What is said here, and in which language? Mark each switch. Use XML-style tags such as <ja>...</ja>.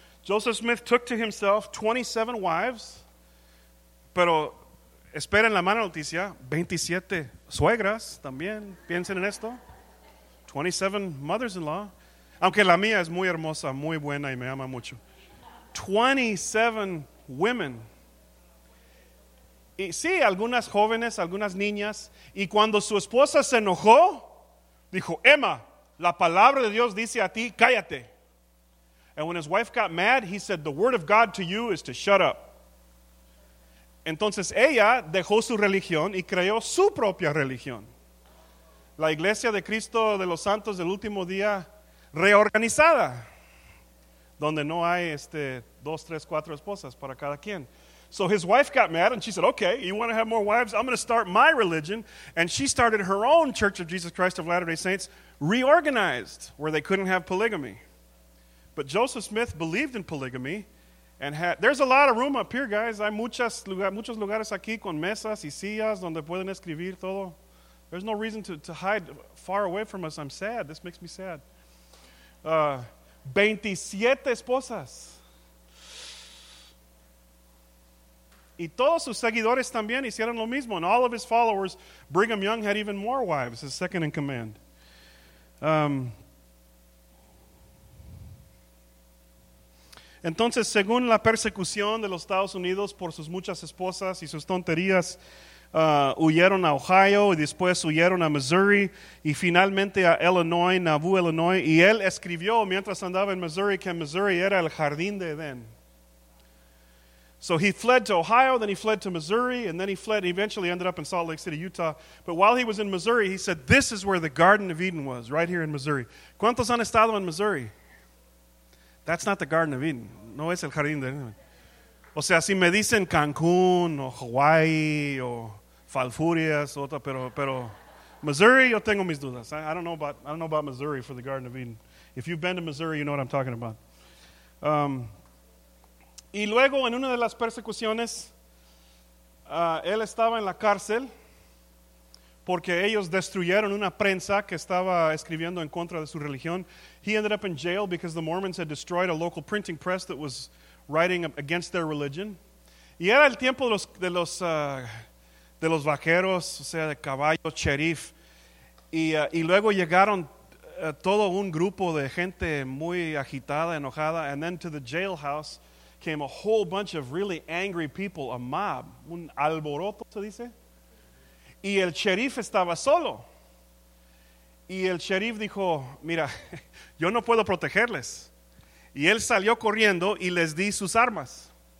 <en>Joseph Smith took to himself 27 wives,</en> <es>pero esperen la mala noticia, 27 suegras también, piensen en esto,</es> <en>27 mothers-in-law,</en> <es>aunque la mía es muy hermosa, muy buena y me ama mucho.</es> <en>27 women.</en> <es>Y sí, algunas jóvenes, algunas niñas. Y cuando su esposa se enojó, dijo, Emma, la palabra de Dios dice a ti, cállate.</es> <en>And when his wife got mad, he said, the word of God to you is to shut up.</en> <es>Entonces ella dejó su religión y creó su propia religión. La Iglesia de Cristo de los Santos del Último Día reorganizada. Donde no hay dos, tres, cuatro esposas para cada quien.</es> <en>So his wife got mad and she said, okay, you want to have more wives? I'm going to start my religion. And she started her own Church of Jesus Christ of Latter-day Saints, reorganized, where they couldn't have polygamy. But Joseph Smith believed in polygamy. And there's a lot of room up here, guys.</en> <es>Hay muchos lugares aquí con mesas y sillas donde pueden escribir todo.</es> <en>There's no reason to hide far away from us. I'm sad. This makes me sad.</en> <es>27 esposas. Y todos sus seguidores también hicieron lo mismo.</es> <en>And all of his followers, Brigham Young had even more wives, his second in command.</en> <es>Entonces, según la persecución de los Estados Unidos por sus muchas esposas y sus tonterías, huyeron a Ohio y después huyeron a Missouri y finalmente a Illinois, Nauvoo, Illinois. Y él escribió mientras andaba en Missouri que Missouri era el jardín de Edén.</es> <en>So he fled to Ohio, then he fled to Missouri, and then he fled and eventually ended up in Salt Lake City, Utah. But while he was in Missouri, he said, this is where the Garden of Eden was, right here in Missouri.</en> <es>¿Cuántos han estado en Missouri?</es> <en>That's not the Garden of Eden.</en> <es>No es el jardín de Edén. O sea, si me dicen Cancún o Hawaii o Falfurrias o otra, pero Missouri, yo tengo mis dudas.</es> <en>I don't know about Missouri for the Garden of Eden. If you've been to Missouri, you know what I'm talking about.</en> <es>Y luego en una de las persecuciones, él estaba en la cárcel porque ellos destruyeron una prensa que estaba escribiendo en contra de su religión.</es> <en>He ended up in jail because the Mormons had destroyed a local printing press that was writing against their religion.</en> <es>Y era el tiempo de los vaqueros, o sea, de caballo, sheriff. Y luego llegaron todo un grupo de gente muy agitada, enojada.</es> <en>And then to the jailhouse came a whole bunch of really angry people, a mob,</en> <es>un alboroto, se dice. Y el sheriff estaba solo. Y el sheriff dijo, mira, yo no puedo protegerles. Y él salió corriendo y les dio sus armas.</es>